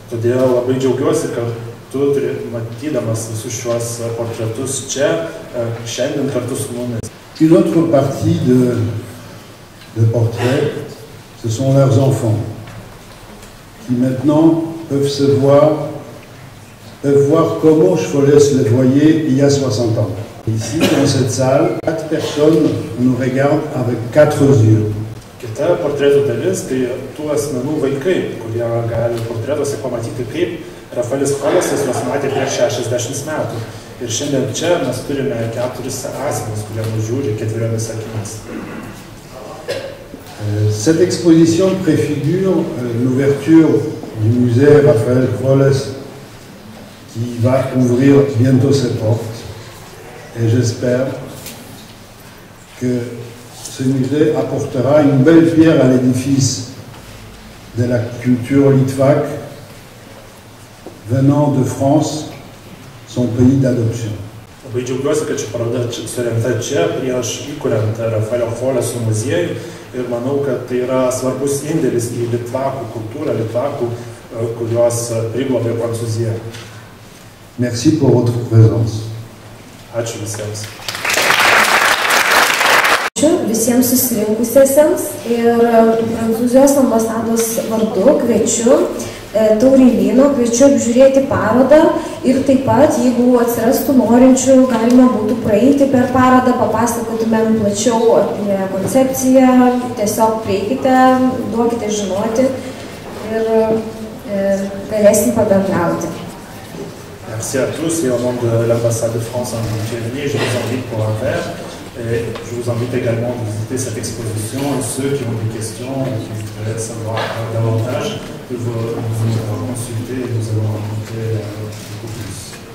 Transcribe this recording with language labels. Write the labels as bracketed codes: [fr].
[lt] Todėl labai džiaugiuosi, kad tu, matydamas visus šiuos portretus čia, šiandien kartu su mumis. [fr] Une autre partie de portrait, ce sont leurs enfants, qui maintenant peuvent se voir peuvent voir comment Rvoles les voyait il y a 60 ans. Ici, dans cette salle, 4 personnes nous regardent avec 4 yeux. [lt] Kita portreto dalis, tai tų asmenų vaikai, kurie gali portretuose pamatyti, kaip Rafaelis Rvolesas juos matė prieš 60 metų. Ir šiandien čia mes turime 4 asmenus, kurie mus žiūri 4 akimis. [fr] Cette exposition préfigure l'ouverture du musée Raphaël Rvoles. Il va ouvrir bientôt ses portes et j'espère que ce musée apportera une belle pierre à l'édifice de la culture litvak venant de France, son pays d'adoption. [lt] Labai džiaugiuosi, kad ši paroda surengta čia prieš įkuriant Rafaelio Rvoleso muziejų ir manau, kad tai yra svarbus indėlis į litvakų kultūrą, litvakų, kuriuos priglobė Prancūzija. [fr] Merci pour votre présence. [lt] Ačiū visiems. Ačiū visiems susirinkusiesiems ir Prancūzijos ambasados vardu kviečiu Taurylyno, kviečiu apžiūrėti parodą ir taip pat, jeigu atsirastų norinčių, galima būtų praeiti per parodą, papasakotumėm plačiau apie koncepciją, tiesiog prieikite, duokite žinoti ir galėsim pabendrauti. [fr] Merci à tous et au nom de l'ambassade de France en Algérie, je vous invite pour un verre et je vous invite également à visiter cette exposition et ceux qui ont des questions et qui voudraient savoir davantage que vous nous consulter et nous allons raconter beaucoup plus.